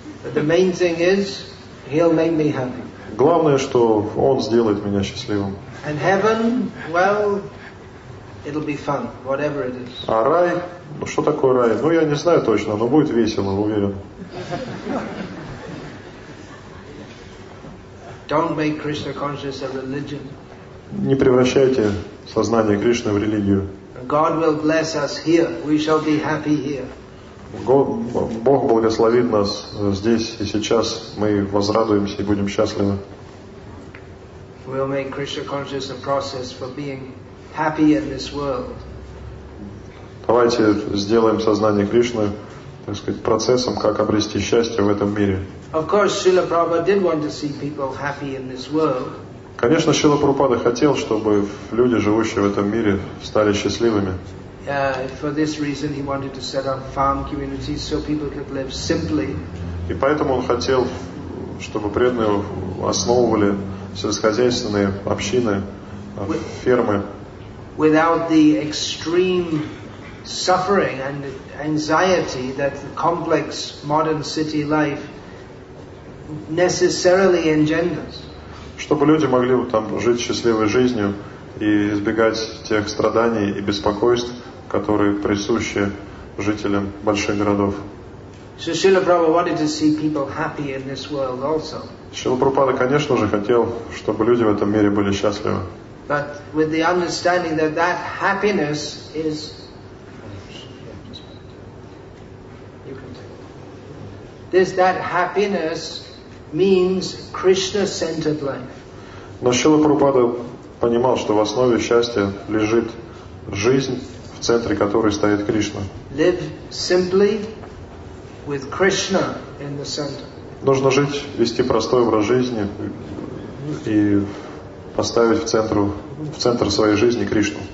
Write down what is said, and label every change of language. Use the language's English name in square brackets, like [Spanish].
[English] But the main thing is, he'll make me happy. [Russian] Главное, что Он сделает меня счастливым. [English] And heaven, well, it'll be fun, whatever it is. [Russian] А рай? Ну что такое рай? Ну я не знаю точно, но будет весело, уверен. [English] Don't make Krishna conscious a religion. [Russian] Не превращайте сознание Кришны в религию. [English] God will bless us here. We shall be happy here. [Russian] Бог благословит нас здесь и сейчас. Мы возрадуемся и будем счастливы. [English] We'll make Krishna conscious a process for being happy in this world. [Russian] Давайте сделаем сознание Кришны, так сказать, процессом, как обрести счастье в этом мире. [English] Of course, Srila Prabhupada did want to see people happy in this world. [Russian] Конечно, Шрила Прабхупада хотел, чтобы люди, живущие в этом мире, стали счастливыми. [English] For this reason, he wanted to set up farm communities so people could live simply. [Russian] И поэтому он хотел, чтобы преданные основывали сельскохозяйственные общины, фермы. [English] Without the extreme suffering and anxiety that the complex modern city life necessarily engenders. [Russian] Чтобы люди могли там жить счастливой жизнью и избегать тех страданий и беспокойств, которые присущи жителям больших городов. [English] Srila Prabhupada wanted to see people happy in this world also. [Russian] Srila Prabhupada, конечно же, хотел, чтобы люди в этом мире были счастливы. [English] But with the understanding that that happiness is that happiness means Krishna-centered life. [Russian] Но Шрила Прабхупада понимал, что в основе счастья лежит жизнь, в центре которой стоит Кришна. [English] Live simply with Krishna in the center. [Russian] Нужно жить, вести простой образ жизни и поставить в центр своей жизни Кришну.